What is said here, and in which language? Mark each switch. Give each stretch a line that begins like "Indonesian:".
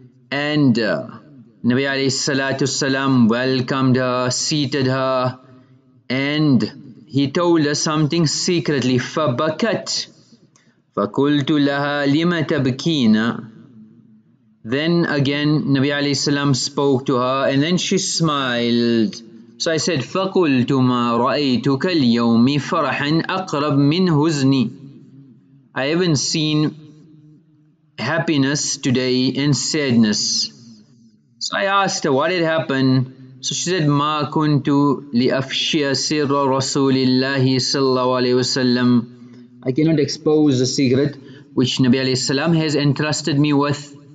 English: And Nabi alayhi salatu salam welcomed her, seated her, and he told her something secretly.
Arabic: فَبَكَتْ فَقُلْتُ لَهَا لِمَ تَبْكِينَ.
English: Then again, Nabi alayhi salam spoke to her and then she smiled. So I said,
Arabic: فَقُلْتُ مَا رَأَيْتُكَ الْيَوْمِ فَرَحًا أَقْرَبْ مِنْ هُزْنِي.
English: I haven't seen happiness today and sadness. So I asked her, what had happened? So she said,
Arabic: مَا كُنْتُ لِأَفْشِيَ سِرَّ رَسُولِ اللَّهِ صَلَّى اللَّهُ عَلَيْهِ وَسَلَّمُ.
English: I cannot expose the secret which Nabi alayhi salam has entrusted me with.